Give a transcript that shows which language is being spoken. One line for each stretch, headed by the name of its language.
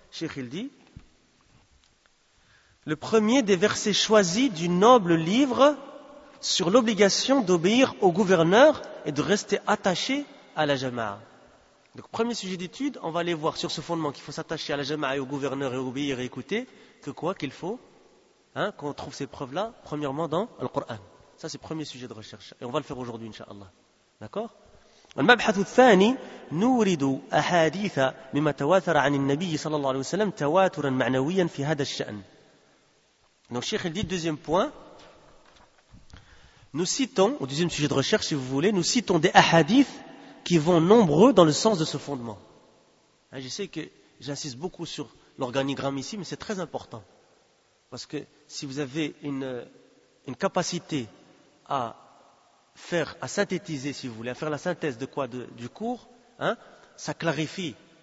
French: Cheikh, il dit, le premier des versets choisis du noble livre sur l'obligation d'obéir au gouverneur et de rester attaché à la jama'a. Donc, premier sujet d'étude, on va aller voir sur ce fondement qu'il faut s'attacher à la jama'a et au gouverneur et obéir et écouter, que quoi qu'il faut, hein, qu'on trouve ces preuves-là, premièrement dans le Coran. Ça, c'est le premier sujet de recherche. Et on va le faire aujourd'hui, inshallah. D'accord?
Arabic: المبحث الثاني نورد أحاديث مما تواتر عن النبي صلى الله عليه وسلم تواترا معنويا في هذا الشأن.
French: Donc, Cheikh, il dit, deuxième point, nous citons, au deuxième sujet de recherche, si vous voulez, nous citons des hadiths qui vont nombreux dans le sens de ce fondement. Je sais que j'insiste beaucoup sur l'organigramme ici, mais c'est très important. Parce que si vous avez une capacité à synthétiser, si vous voulez, à faire la synthèse de quoi du cours, hein, ça clarifie.